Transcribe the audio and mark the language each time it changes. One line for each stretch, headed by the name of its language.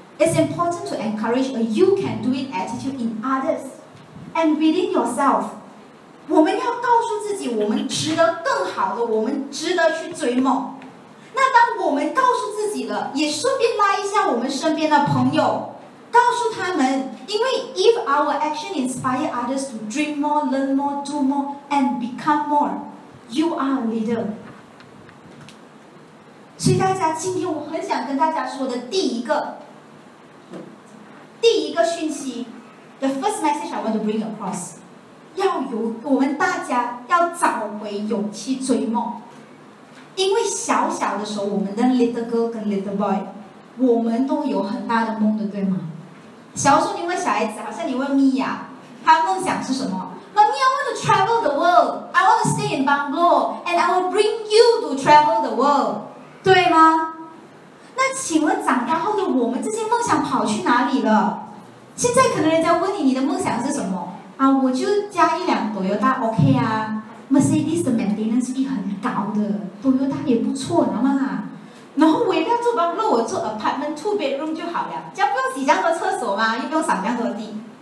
English: It's important to encourage a you can do it attitude in others and within yourself.
Chinese: 我们要告诉自己，我们值得更好的，我们值得去追梦。那当我们告诉自己了，也顺便拉一下我们身边的朋友，告诉他们，因为
English: if our action inspire others to dream more, learn more, do more, and become more, you are a leader.
Chinese: 所以大家，今天我很想跟大家说的第一个讯息
English: The first message I want to bring across，
Chinese: 要由我们大家要找回勇气追梦。因为小小的时候，我们的 little girl 跟 little boy， 我们都有很大的梦的，对吗？小时候你问小孩子，好像你问 Mia， 她梦想是什么？
English: Mommy, I want to travel the world. I want to stay in Bangalore, and I will bring you to travel the world.
Chinese: 对吗？那请问长大后的我们，这些梦想跑去哪里了？现在可能人家问你，你的梦想是什么啊？我就加一辆 Toyota， OK 啊。Mercedes 的 maintenance 费很高的， Toyota 也不错的嘛。然后我也不要住房，如果我住
English: apartment two bedroom
Chinese: 就好了，这样不用洗这样多厕所嘛，又不用扫这样多地。